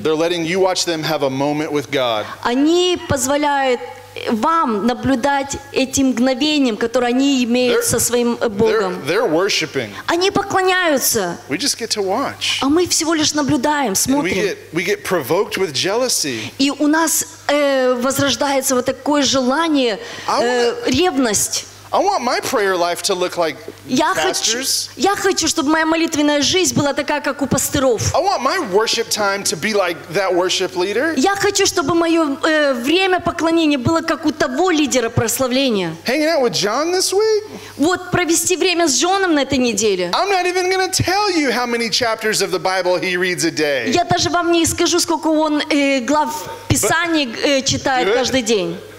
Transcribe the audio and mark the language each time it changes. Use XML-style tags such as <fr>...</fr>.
<en>They're letting you watch them have a moment with God.</en> <ru>Они позволяют вам наблюдать этим мгновением, которое они имеют со своим Богом.</ru> <en>They're worshiping.</en> <ru>Они поклоняются.</ru> <en>We just get to watch.</en> <ru>А мы всего лишь наблюдаем, смотрим.</ru> <en>We get provoked with jealousy.</en> <ru>И у нас возрождается вот такое желание, ревность.</ru> <en>I want my prayer life to look like pastors.</en> <ru>Я хочу, чтобы моя молитвенная жизнь была такая, как у пасторов.</ru> <en>I want my worship time to be like that worship leader.</en> <ru>Я хочу, чтобы мое время поклонения было как у того лидера прославления.</ru> <en>Hanging out with John this week?</en> <ru>Вот провести время с Джоном на этой неделе.</ru> <en>I'm not even going to tell you how many chapters of the Bible he reads a day.</en> <ru>Я даже вам не скажу, сколько он глав Писания читает каждый день.</ru>